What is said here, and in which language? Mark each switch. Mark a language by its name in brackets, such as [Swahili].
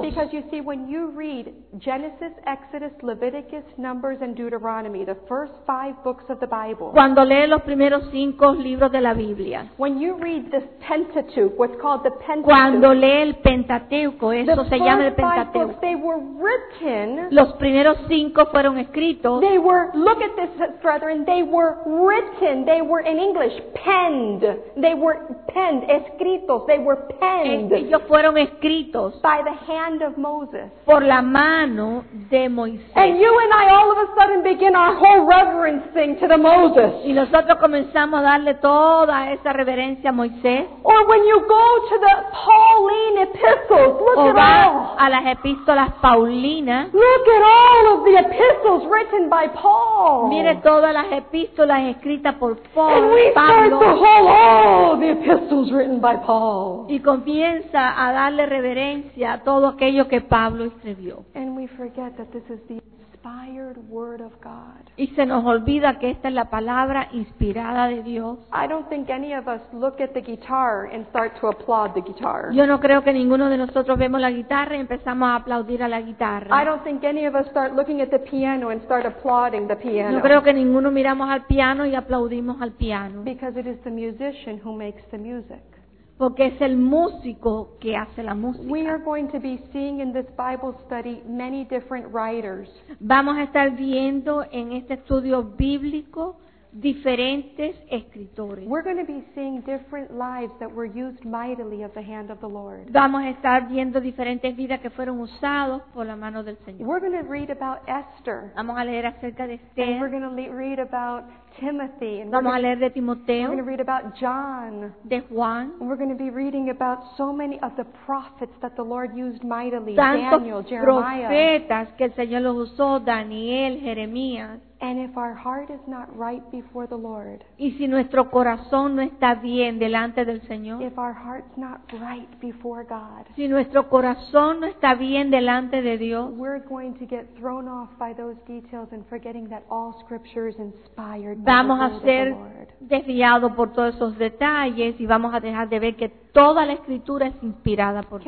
[English] Because you see, when you read Genesis, Exodus, Leviticus, Numbers, and Deuteronomy, the first five books of the Bible. [Spanish] Cuando lees los primeros cinco libros de la Biblia. [English] When you read the Pentateuch, what's called the Pentateuch. [Spanish] Cuando lees el Pentateuco, eso se llama el Pentateuco. [English] The first five books, they were written. [Spanish] Los primeros cinco fueron escritos. [English] They were, look at this, brethren, they were written. They were in English, penned. They were penned, escritos. They were penned. [Spanish] Ellos fueron escritos. [English] By the hand of Moses. [Spanish] Por la mano. [English] And you and I all of a sudden begin our whole reverencing to the Moses. [Spanish] Y nosotros comenzamos a darle toda esa reverencia a Moisés. [English] Or when you go to the Pauline epistles, look at all. [Spanish] A las epístolas paulinas. [English] Look at all of the epistles written by Paul. [Spanish] Mire todas las epístolas escritas por Paul. [English] And we start to hold all the epistles written by Paul. [Spanish] Y comienza a darle reverencia a todo aquello que Pablo escribió. [English] And we forget that this is the inspired word of God. [Spanish] Y se nos olvida que esta es la palabra inspirada de Dios. [English] I don't think any of us look at the guitar and start to applaud the guitar. [Spanish] Yo no creo que ninguno de nosotros vemos la guitarra y empezamos a aplaudir a la guitarra. [English] I don't think any of us start looking at the piano and start applauding the piano. [Spanish] No creo que ninguno miramos al piano y aplaudimos al piano. [English] Because it is the musician who makes the music. [Spanish] Porque es el músico que hace la música. [English] We are going to be seeing in this Bible study many different writers. [Spanish] Vamos a estar viendo en este estudio bíblico diferentes escritores. [English] We're going to be seeing different lives that were used mightily of the hand of the Lord. [Spanish] Vamos a estar viendo diferentes vidas que fueron usados por la mano del Señor. [English] We're going to read about Esther. [Spanish] Vamos a leer acerca de Esther. [English] And we're going to read about Timothy. And [Spanish] vamos a leer de Timoteo. [English] We're going to read about John. [Spanish] De Juan. [English] And we're going to be reading about so many of the prophets that the Lord used mightily. [Spanish] Tantos [English] Daniel, Jeremiah. [Spanish] Profetas que el Señor los usó, Daniel, Jeremías. [English] And if our heart is not right before the Lord, [Spanish] y si nuestro corazón no está bien delante del Señor, [English] if our heart's not right before God, [Spanish] si nuestro corazón no está bien delante de Dios, [English] we're going to get thrown off by those details and forgetting that all Scripture is inspired. [Spanish] Vamos [English] by the [Spanish] a ser desviados por todos esos detalles y vamos a dejar de ver que toda la Escritura es inspirada por